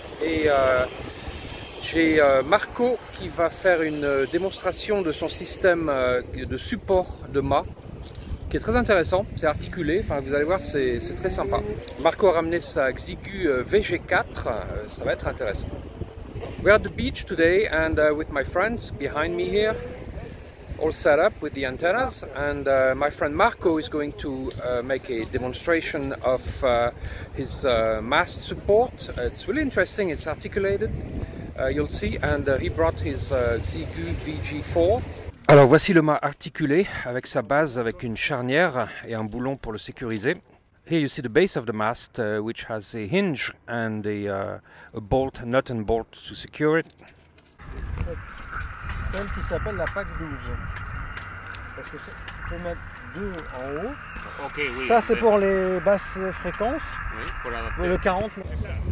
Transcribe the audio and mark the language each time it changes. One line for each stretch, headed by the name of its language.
French: Et j'ai Marco qui va faire une démonstration de son système de support de mât, qui est très intéressant, c'est articulé, enfin, vous allez voir, c'est très sympa. Marco a ramené sa Xiegu VG4, ça va être intéressant.
English: We're at the beach today and with my friends behind me here, all set up with the antennas, and my friend Marco is going to make a demonstration of his mast support. It's really interesting, it's articulated, you'll see, and he brought his Xiegu VG4.
French: Alors voici le mât articulé avec sa base avec une charnière et un boulon pour le sécuriser.
English: Here you see the base of the mast which has a hinge and a bolt, nut and bolt to secure it.
French: Celle qui s'appelle la PAX 12. Parce que ça peut mettre deux en haut. Okay, oui, ça c'est pour les basses fréquences. Oui, pour la le 40. C'est ça.